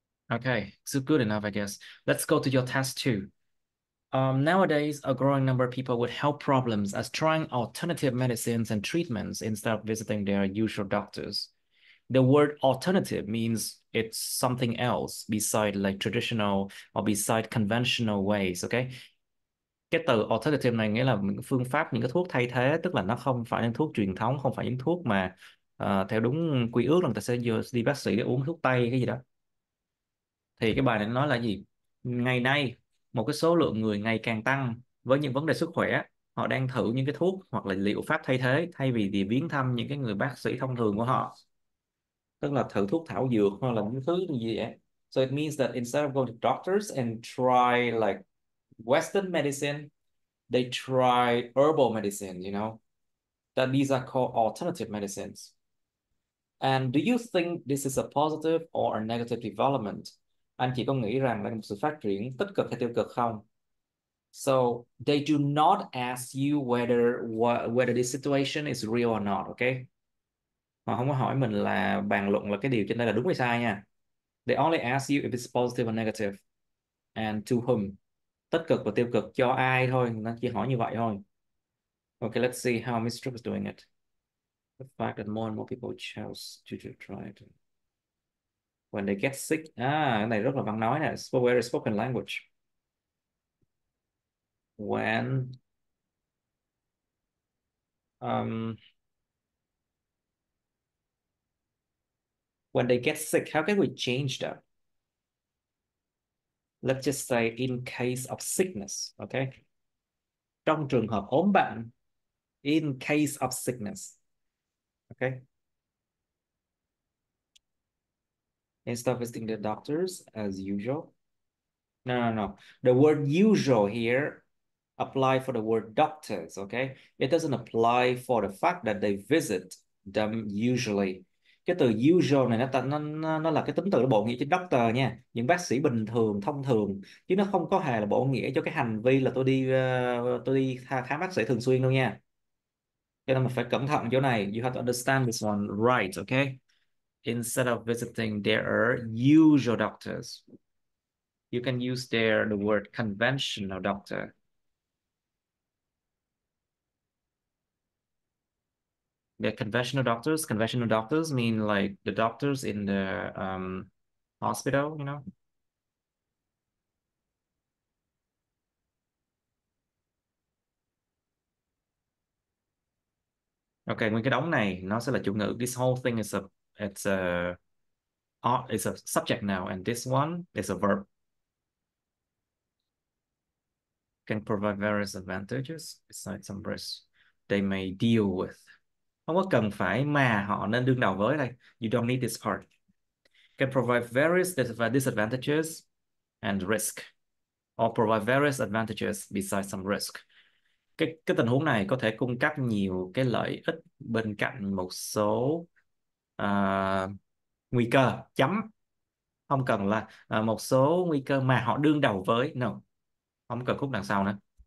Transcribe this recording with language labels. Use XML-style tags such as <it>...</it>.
<en>Okay, so good enough, I guess. Let's go to your test two. Nowadays, a growing number of people with health problems are trying alternative medicines and treatments instead of visiting their usual doctors. The word alternative means it's something else beside like traditional or beside conventional ways, okay?</en> <vi>Cái từ alternative này nghĩa là những phương pháp, những cái thuốc thay thế, tức là nó không phải những thuốc truyền thống, không phải những thuốc mà theo đúng quy ước là người ta sẽ đi bác sĩ để uống thuốc tây cái gì đó. Thì cái bài này nói là gì? Ngày nay, một cái số lượng người ngày càng tăng với những vấn đề sức khỏe, họ đang thử những cái thuốc hoặc là liệu pháp thay thế thay vì đi viếng thăm những cái người bác sĩ thông thường của họ. Tức là thử thuốc thảo dược hoặc là những thứ như gì vậy.</vi> <en>So it means that instead of going to doctors and try like Western medicine, they try herbal medicine, you know? That these are called alternative medicines. And do you think this is a positive or a negative development?</en> <vi>Anh chị có nghĩ rằng là một sự phát triển tích cực hay tiêu cực không?</vi> <en>So they do not ask you whether this situation is real or not, okay?</en> <vi>Họ không có hỏi mình là bàn luận là cái điều trên đây là đúng hay sai nha.</vi> <en>They only ask you if it's positive or negative and to whom.</en> <vi>Tích cực và tiêu cực cho ai thôi, nó chỉ hỏi như vậy thôi.</vi> <en>Okay, let's see how Mr. Trump is doing it. The fact that more and more people chose to try it. When they get sick.</en> <vi>À, cái này rất là văn nói nè.</vi> <en>Where is spoken language? When when they get sick, how can we change that? Let's just say in case of sickness, okay?</en> <vi>Trong trường hợp ốm bệnh,</vi> <en>in case of sickness, okay? Instead of visiting the doctors as usual. No. The word usual here apply for the word doctors, okay? It doesn't apply for the fact that they visit them usually.</en> <vi>Cái từ usual này nó là cái tính từ bổ nghĩa cho doctor nha, những bác sĩ bình thường, thông thường, chứ nó không có hề là bổ nghĩa cho cái hành vi là tôi đi khám bác sĩ thường xuyên đâu nha. Cho nên mình phải cẩn thận chỗ này.</vi> <en>You have to understand this one right, okay? Instead of visiting their usual doctors, you can use their the word conventional doctor. The conventional doctors mean like the doctors in the hospital, you know.</en> <vi>Okay, nguyên cái đống này nó sẽ là chủ ngữ.</vi> <en>This whole thing is a it's a subject now, and this one is a verb. Can provide various advantages besides some risks they may deal with.</en> <vi>Không có cần phải mà họ nên đương đầu với đây.</vi> <en>You don't need this part. Can provide various disadvantages and risk, or provide various advantages besides some risk.</en> <vi>cái tình huống này có thể cung cấp nhiều cái lợi ích bên cạnh một số nguy cơ chấm, không cần là một số nguy cơ mà họ đương đầu với, no, không cần khúc đằng sau nữa.</vi>